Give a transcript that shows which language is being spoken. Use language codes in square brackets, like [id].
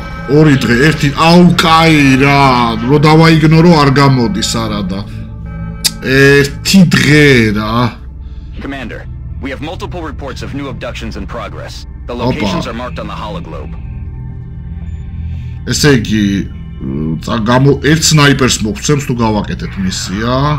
[ka] ორი დღე, ერთი აუ კაი რა, რო დავაიგნორო არ გამოდის არა და ერთი დღე რა. [en] Commander, we have multiple reports of new abductions in progress. The locations are marked on the hologlobe. [ka] ესე იგი, გამო ერთ სნაიპერს მოგცემს თუ გავაკეთეთ მისია.